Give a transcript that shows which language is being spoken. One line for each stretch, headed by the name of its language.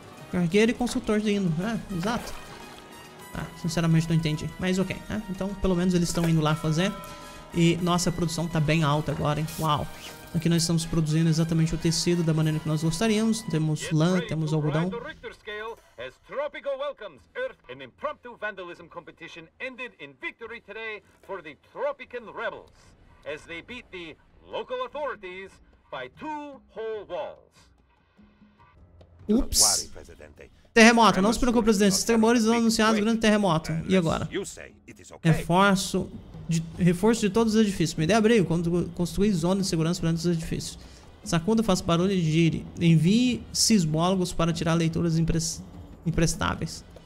Portuguese: Cargueiro e construtor indo, é, exato. Ah, sinceramente não entendi, mas ok, né? Então pelo menos eles estão indo lá fazer. E nossa, a produção tá bem alta agora, hein? Uau! Aqui nós estamos produzindo exatamente o tecido da maneira que nós gostaríamos. Temos lã, temos algodão.
English: As Tropico welcomes Earth, an impromptu vandalism competition ended in victory today for the Tropican rebels, as they beat the local authorities by two whole walls. Oops.
Portuguese: Terremoto, não se preocupe, presidente. Os tremores foram anunciados, grande terremoto. E agora? Reforço de todos os edifícios. Me dê abrigo quando construir zona de segurança para os edifícios. Sacunda, faça barulho e gire. Envie sismólogos para tirar leituras imprestáveis.